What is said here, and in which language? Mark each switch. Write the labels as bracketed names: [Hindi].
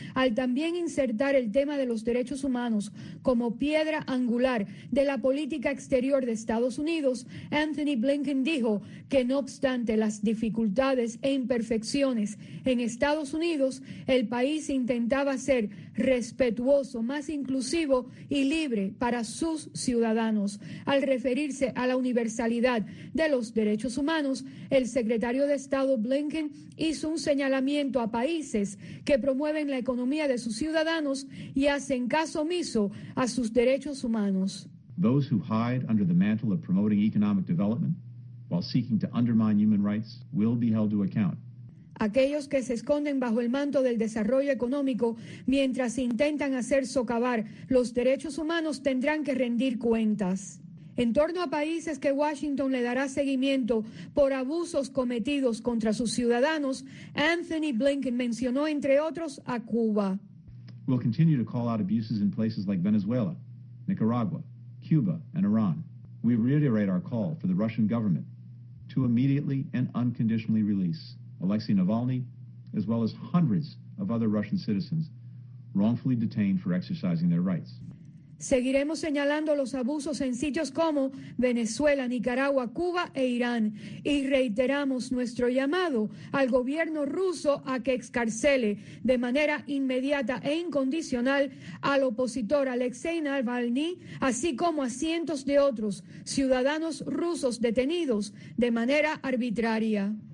[Spanish] Al también insertar el tema de los derechos humanos como piedra angular de la política exterior de Estados Unidos, Anthony Blinken dijo que no obstante las dificultades e imperfecciones en Estados Unidos, el país intentaba ser respetuoso, más inclusivo y libre para sus ciudadanos. Al referirse a la universalidad de los derechos humanos, el secretario de Estado Blinken hizo un señalamiento a países que promueven la economía de sus ciudadanos y hacen caso omiso a sus derechos humanos. [English] Those who hide under the mantle of promoting economic development while seeking to undermine human rights will be held to account. [Spanish] Aquellos que se esconden bajo el manto del desarrollo económico mientras intentan hacer socavar los derechos humanos tendrán que rendir cuentas. En torno a países que Washington le dará seguimiento por abusos cometidos contra sus ciudadanos, Anthony Blinken mencionó, entre otros, a Cuba. [English] We'll continue to call out abuses in places like Venezuela, Nicaragua, Cuba, and Iran. We reiterate our call for the Russian government to immediately and unconditionally release Alexei Navalny, as well as hundreds of other Russian citizens wrongfully detained for exercising their rights. [Spanish] Seguiremos señalando los abusos en sitios como Venezuela, Nicaragua, Cuba e Irán. Y reiteramos nuestro llamado al gobierno ruso a que excarcele de manera inmediata e incondicional al opositor Alexei Navalny, así como a cientos de otros ciudadanos rusos detenidos de manera arbitraria.